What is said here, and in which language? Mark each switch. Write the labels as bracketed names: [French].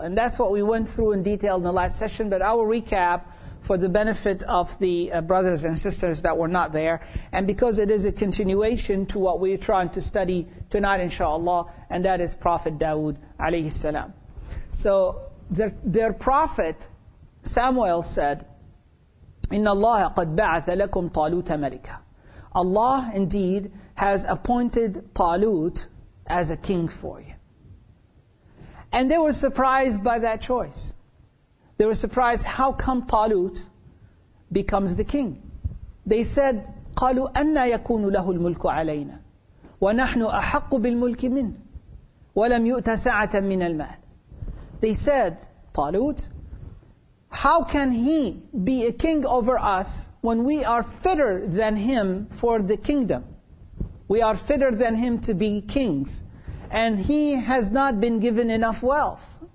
[English] And that's what we went through in detail in the last session, but I will recap for the benefit of the brothers and sisters that were not there, and because it is a continuation to what we're trying to study tonight, inshallah, and that is Prophet Dawood, alayhi salam. So their prophet, Samuel, said, [Arabic] إِنَّ اللَّهَ قَدْ بَعَثَ لَكُمْ طَالُوتَ مَلِكًا. [English] Allah, indeed, has appointed Talut as a king for you. And they were surprised by that choice. They were surprised, how come Talut becomes the king? They said, [Arabic] قَالُوا أَنَّا يَكُونُ لَهُ الْمُلْكُ عَلَيْنَا وَنَحْنُ أَحَقُّ بِالْمُلْكِ مِنْهُ وَلَمْ يُؤْتَ سَعَةً مِنَ الْمَالِ. [English] They said, Talut, how can he be a king over us when we are fitter than him for the kingdom. We are fitter than him to be kings. And he has not been given enough wealth.